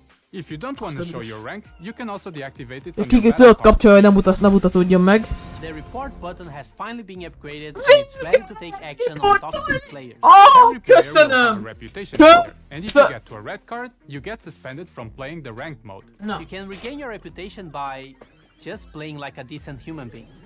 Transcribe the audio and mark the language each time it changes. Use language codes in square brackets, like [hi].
[en] If you don't want to show your rank, you can also deactivate it. [hu] Ki tudod kapcsolni, hogy nem mutatódjon meg. [en] The report button has finally been upgraded, so it's ready to take action on toxic players. [hu] Oh, köszönöm! [en] And if you get to a red card, you get suspended from playing the ranked mode. No. You can regain your reputation by just playing like a decent human being.